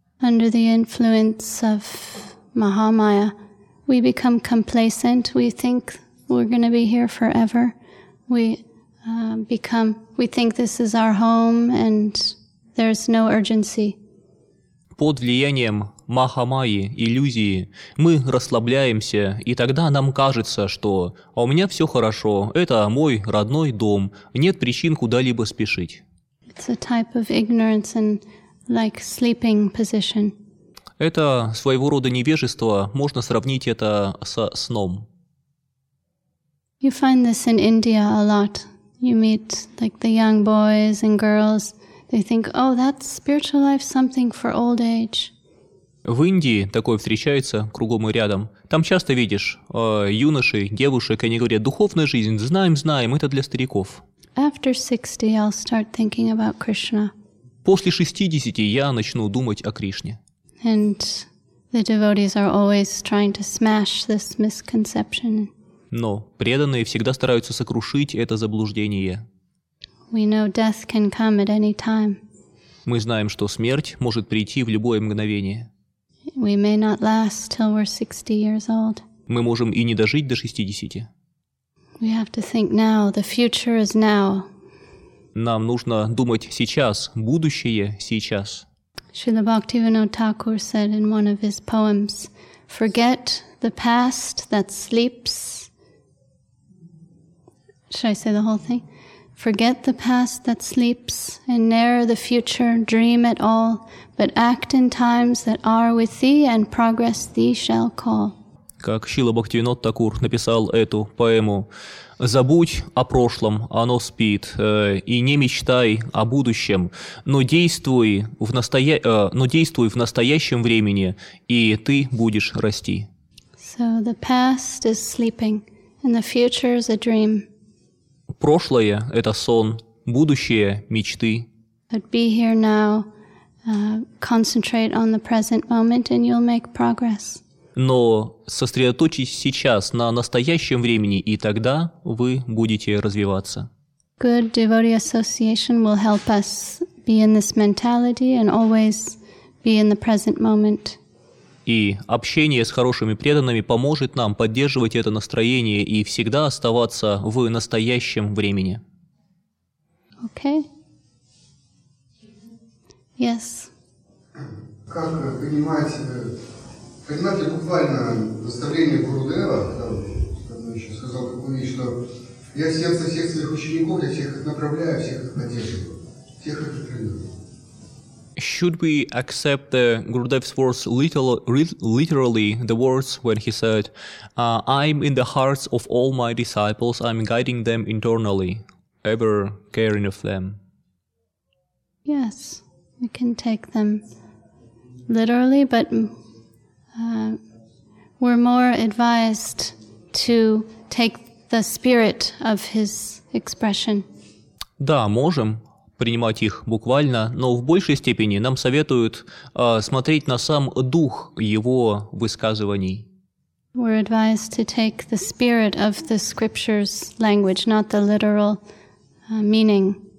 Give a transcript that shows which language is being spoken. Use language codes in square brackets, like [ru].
[en] Under the influence of Mahamaya, we become complacent. We think we're going to be here forever. We think this is our home, and there's no urgency. [ru] Под влиянием Махамайи, иллюзии, мы расслабляемся, и тогда нам кажется, что «а у меня все хорошо, это мой родной дом, нет причин куда-либо спешить». [en] It's a type of ignorance and like sleeping position. [ru] Это своего рода невежество, можно сравнить это со сном. [en] You find this in India a lot. You meet like the young boys and girls. They think, oh, that's spiritual life, something for old age. [ru] В Индии такое встречается кругом и рядом. Там часто видишь юношей, девушек, они говорят, духовная жизнь, знаем, это для стариков. [en] After 60, I'll start thinking about Krishna. [ru] После 60 я начну думать о Кришне. [en] And the devotees are always trying to smash this misconception. [ru] Но преданные всегда стараются сокрушить это заблуждение. [en] We know death can come at any time. [ru] Мы знаем, что смерть может прийти в любое мгновение. [en] We may not last till we're 60 years old. [ru] Мы можем и не дожить до 60. [en] We have to think now. The future is now. [ru] Нам нужно думать сейчас. Будущее сейчас. [en] Srila Bhaktivinoda Thakur said in one of his poems, "Forget the past that sleeps." Should I say the whole thing? Forget the past that sleeps, and ne'er the future dream at all, but act in times that are with thee, and progress thee shall call. [ru] Как Шрила Бхактивинода Такур написал эту поэму: «Забудь о прошлом, оно спит, и не мечтай о будущем, но действуй в настоящем времени, и ты будешь расти». [en] So the past is sleeping, and the future is a dream. [ru] Прошлое – это сон, будущее – мечты. [en] But be here now, concentrate on the present moment, and you'll make progress. [ru] Но сосредоточьтесь сейчас на настоящем времени, и тогда вы будете развиваться. [en] Good devotee association will help us be in this mentality and always be in the present moment. [ru] И общение с хорошими преданными поможет нам поддерживать это настроение и всегда оставаться в настоящем времени. [en] Okay. Yes. [ru] Как понимать ли буквально наставление Гурудева, когда он еще сказал такую вещь, что я всех своих учеников, я всех их направляю, всех их поддерживаю, всех их тренирую. [en] Should we accept the Gurudev's words literally, the words when he said, I'm in the hearts of all my disciples, I'm guiding them internally, ever caring of them? Yes, we can take them literally, but we're more advised to take the spirit of his expression. [ru] Да, можем принимать их буквально, но в большей степени нам советуют смотреть на сам дух его высказываний. [en] We're advised to take the spirit of the scripture's language, not the literal meaning.